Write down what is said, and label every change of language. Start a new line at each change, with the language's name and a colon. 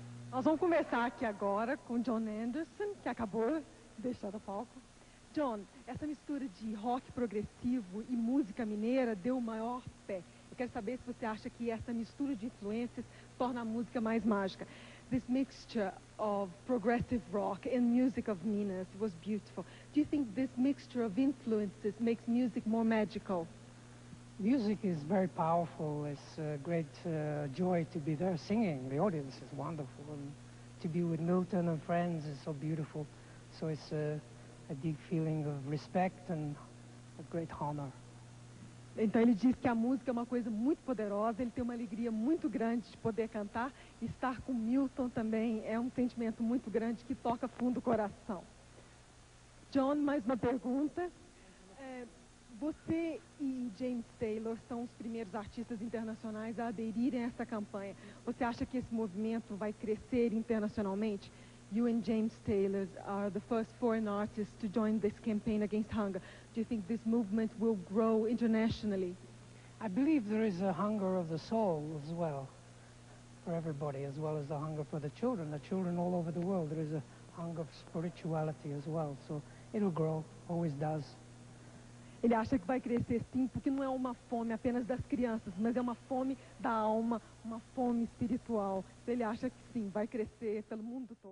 Portuguese: Nós vamos conversar aqui agora com John Anderson, que acabou de deixar o palco. John, essa mistura de rock progressivo e música mineira deu o maior pé. Eu quero saber se você acha que essa mistura de influências torna a música mais mágica.
English: This mixture of progressive rock and music of Minas was beautiful. Do you think this mixture of influences makes music more magical? Music is very powerful. It's a great joy to be there singing. The audience is wonderful. And to be with Milton and friends is so beautiful. So it's a deep feeling of respect and a great honor.
Portuguese: Então ele diz que a música é uma coisa muito poderosa, ele tem uma alegria muito grande de poder cantar. Estar com Milton também é um sentimento muito grande que toca fundo o coração. John, mais uma pergunta. Você e James Taylor são os primeiros artistas internacionais a aderirem a essa campanha. Você acha que esse movimento vai crescer internacionalmente?
English: You and James Taylor are the first foreign artists to join this campaign against hunger. Do you think this movement will grow internationally? I believe there is a hunger of the soul as well for everybody, as well as the hunger for the children. The children all over the world, there is a hunger of spirituality as well. So it'll grow, always does.
Portuguese: Ele acha que vai crescer sim, porque não é uma fome apenas das crianças, mas é uma fome da alma, uma fome espiritual. Ele acha que sim, vai crescer pelo mundo todo.